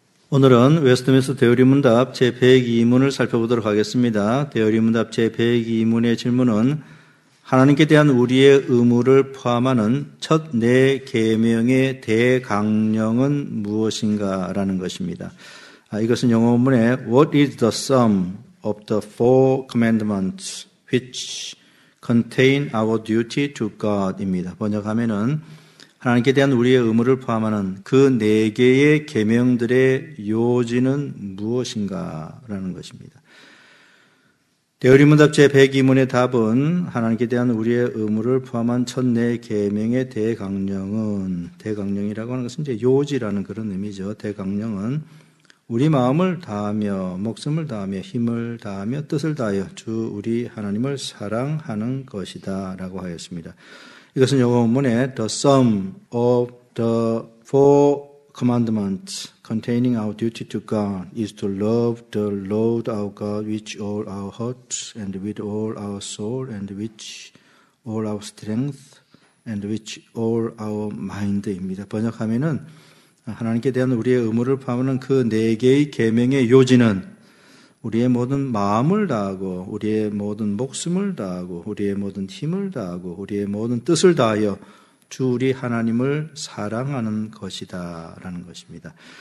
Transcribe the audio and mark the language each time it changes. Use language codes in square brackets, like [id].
[ko] 오늘은 웨스트민스터 대여리문답 제102문을 살펴보도록 하겠습니다. 대여리문답 제102문의 질문은 하나님께 대한 우리의 의무를 포함하는 첫 네 계명의 대강령은 무엇인가라는 것입니다. 이것은 영어 문에 [en] What is the sum of the four commandments which contain our duty to God입니다. [ko] 번역하면은 하나님께 대한 우리의 의무를 포함하는 그 네 개의 계명들의 요지는 무엇인가라는 것입니다. 대여리문답 제102문의 답은 하나님께 대한 우리의 의무를 포함한 첫 네 계명의 대강령은 대강령이라고 하는 것은 이제 요지라는 그런 의미죠. 대강령은 우리 마음을 다하며 목숨을 다하며 힘을 다하며 뜻을 다하여 주 우리 하나님을 사랑하는 것이다 라고 하였습니다. 이것은 영어 문에 [en] The sum of the four commandments containing our duty to God is to love the Lord our God with all our heart and with all our soul and with all our strength and with all our mind입니다. [ko] 번역하면은 하나님께 대한 우리의 의무를 포함하는 그 네 개의 계명의 요지는 우리의 모든 마음을 다하고 우리의 모든 목숨을 다하고 우리의 모든 힘을 다하고 우리의 모든 뜻을 다하여 주 우리 하나님을 사랑하는 것이다 라는 것입니다.